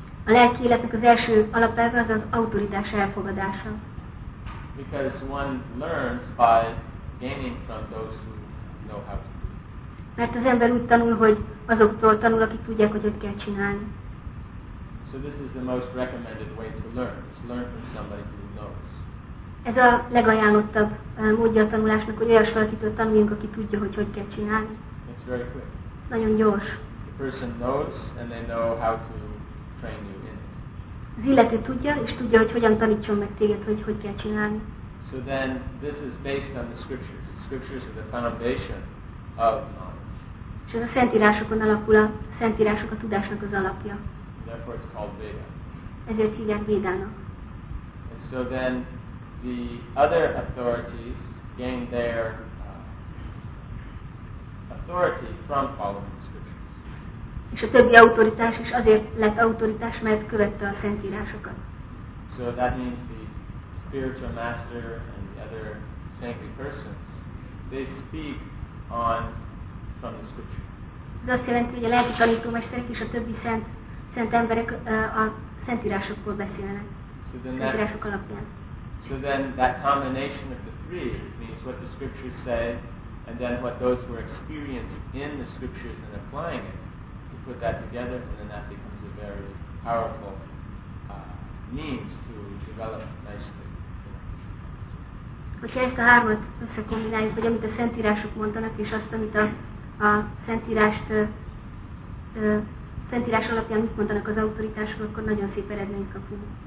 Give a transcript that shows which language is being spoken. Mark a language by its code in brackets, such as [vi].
[hu] A lelki életnek az első alapelve az autoritás elfogadása. [en] Because one learns by gaining from those who know how to do. [hu] Mert az ember úgy tanul, hogy azoktól tanul, akik tudják, hogy hogy kell csinálni. [en] So this is the most recommended way to learn. To learn from somebody who knows. [hu] Ez a legajánlottabb módja a tanulásnak, hogy olyas valakitől tanuljunk, aki tudja, hogy hogy kell csinálni. [en] It's very quick. [hu] Nagyon gyors. [en] The person knows and they know how to train you in it. [hu] Az illető tudja, és tudja, hogy hogyan tanítson meg téged, hogy hogy kell csinálni. [en] So then this is based on the scriptures. The scriptures are the foundation of knowledge. [hu] És ez a szentírásokon alapul, a szentírások a tudásnak az alapja. [en] Therefore it's called Veda. [hu] Ezért hívják Védának. [en] And so then the other authorities gain their authority from following the scriptures. [hu] És a többi autoritás is azért lett autoritás, mert követte a szentírásokat. [en] So that means the spiritual master and the other saintly persons, they speak on from the scripture. [hu] Ez azt jelenti, hogy a lelki tanítómesterek és a többi szent emberek a szentírásokból beszélnek. [en] So then that [hu] szentírások alapján. [en] So then that combination of the three means what the scriptures say, and then what those who are experienced in the scriptures and applying it, you put that together, and then that becomes a very powerful means to develop nicely. [hu] Hogyha ezt a hármat összekombináljuk, hogy amit a szentírások mondanak, és azt, amit a szentírás alapján mit mondanak az autoritások, akkor nagyon szép eredményt kapunk.